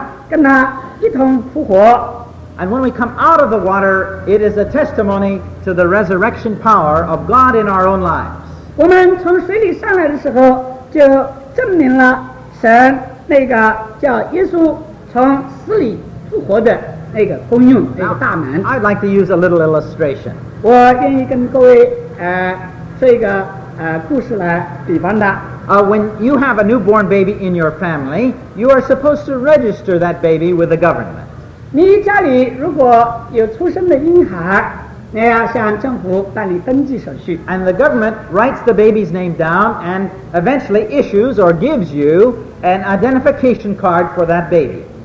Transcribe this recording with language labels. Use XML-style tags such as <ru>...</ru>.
<zh>所以我们这样做，就是表示我们跟他一同埋葬，跟他一同复活。</zh> <en>And when we come out of the water, it is a testimony to the resurrection power of God in our own lives. I'd like to use a little illustration. When you have a newborn baby in your family, you are supposed to register that baby with the government.</en> <zh>你家里如果有出生的婴孩，你要向政府办理登记手续。</zh> <en>And the government writes the baby's name down and eventually issues or gives you an identification card for that baby.</en>